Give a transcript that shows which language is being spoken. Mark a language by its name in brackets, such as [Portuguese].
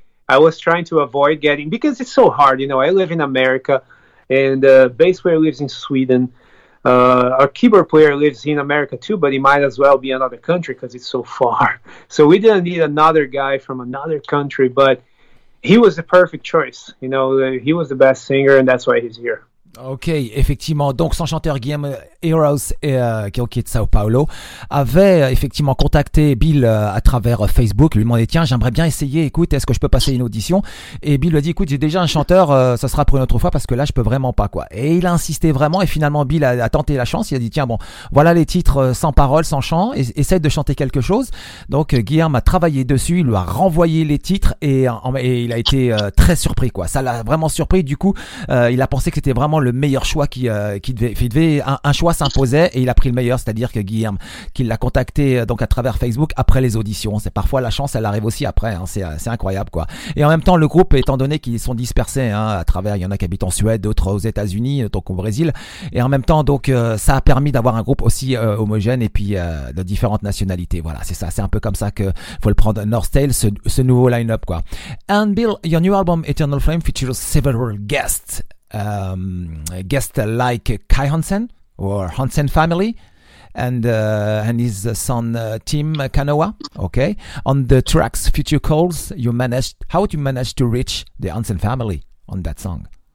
[English] I was trying to avoid getting, because it's so hard, you know, I live in America, and the bass player lives in Sweden, our keyboard player lives in America too, but he might as well be another country because it's so far. So we didn't need another guy from another country, but he was the perfect choice, you know, he was the best singer, and that's why he's here. [French] Ok, effectivement, donc son chanteur Guillermo Heroes, qui est de Sao Paulo, avait effectivement contacté Bill à travers Facebook, lui demandait, tiens, j'aimerais bien essayer, écoute, est-ce que je peux passer une audition? Et Bill lui a dit, écoute, j'ai déjà un chanteur, ça sera pour une autre fois, parce que là, je peux vraiment pas, quoi. Et il a insisté vraiment, et finalement, Bill a tenté la chance, il a dit, tiens, bon, voilà les titres sans paroles, sans chant, essaye de chanter quelque chose. Donc Guillermo a travaillé dessus, il lui a renvoyé les titres, et il a été très surpris, quoi. Ça l'a vraiment surpris, du coup, il a pensé que c'était vraiment vraiment le meilleur choix qui devait un choix s'imposait et il a pris le meilleur, c'est-à-dire que Guilherme, qui l'a contacté donc à travers Facebook après les auditions. C'est parfois la chance, elle arrive aussi après, hein. C'est incroyable quoi. Et en même temps, le groupe, étant donné qu'ils sont dispersés, hein, à travers, il y en a qui habitent en Suède, d'autres aux États-Unis, donc au Brésil, et en même temps donc ça a permis d'avoir un groupe aussi homogène et puis de différentes nationalités. Voilà, c'est ça, c'est un peu comme ça que faut le prendre, North Tales, ce nouveau line-up quoi. [English] And Bill, your new album Eternal Flame features several guests, like Kai Hansen or Hansen family, and his son Tim Kanoa. Okay, on the tracks Future Calls, how would you manage to reach the Hansen family on that song?